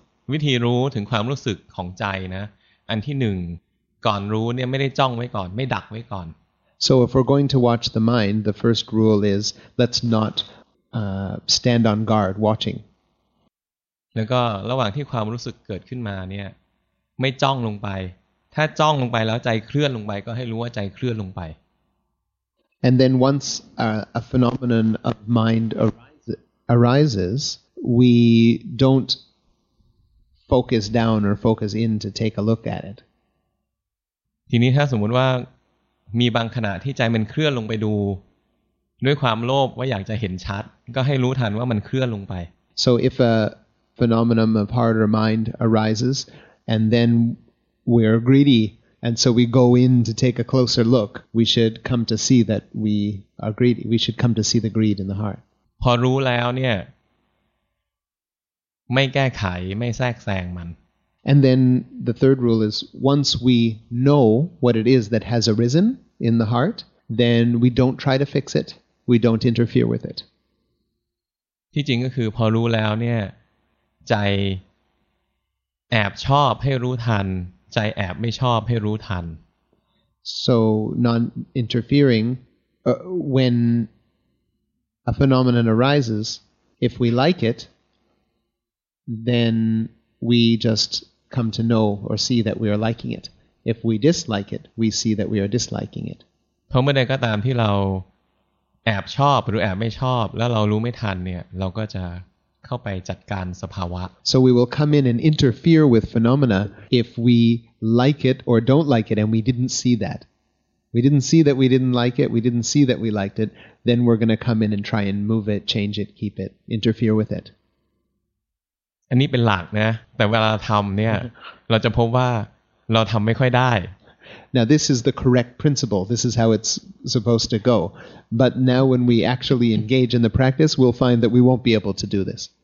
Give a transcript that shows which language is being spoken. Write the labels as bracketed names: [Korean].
[Thai] วิธีรู้ถึงความรู้สึกของใจนะอันที่หนึ่งก่อนรู้เนี่ยไม่ได้จ้องไว้ก่อนไม่ดักไว้ก่อน [English] So if we're going to watch the mind, the first rule is let's not stand on guard watching. [Thai] แล้วก็ระหว่างที่ความรู้สึกเกิดขึ้นมาเนี่ยไม่จ้องลงไปถ้าจ้องลงไปแล้วใจเคลื่อนลงไปก็ให้รู้ว่าใจเคลื่อนลงไป [English] And then once a phenomenon of mind arises, we don't focus down or focus in to take a look at it. [Thai] ทีนี้ถ้าสมมุติว่ามีบางขณะที่ใจมันเคลื่อนลงไปดูด้วยความโลภว่าอยากจะเห็นชัดก็ให้รู้ทันว่ามันเคลื่อนลงไป [English] So if a phenomenon of heart or mind arises and then we're greedy and so we go in to take a closer look, we should come to see that we are greedy. We should come to see the greed in the heart. [Thai] พอรู้แล้วเนี่ยไม่แก้ไขไม่แทรกแซงมัน [English] And then the third rule is once we know what it is that has arisen in the heart, then we don't try to fix it, we don't interfere with it. [Thai] ที่จริงก็คือพอรู้แล้วเนี่ยใจแอบชอบให้รู้ทันใจแอบไม่ชอบให้รู้ทัน [English] So not interfering when a phenomenon arises, if we like itthen we just come to know or see that we are liking it. If we dislike it, we see that we are disliking it. [Thai] เพราะเมื่อใดก็ตามที่เราแอบชอบหรือแอบไม่ชอบแล้วเรารู้ไม่ทันเนี่ยเราก็จะเข้าไปจัดการสภาวะ [English] So we will come in and interfere with phenomena if we like it or don't like it and we didn't see that. We didn't see that we didn't like it, we didn't see that we liked it, then we're going to come in and try and move it, change it, keep it, interfere with it. [Thai] อันนี้เป็นหลักนะแต่เวลาทำเนี่ยเราจะพบว่าเราทำไม่ค่อยได้ [English] Now this is the correct principle. This is how it's supposed to go. But now when we actually engage in the practice, we'll find that we won't be able to do this.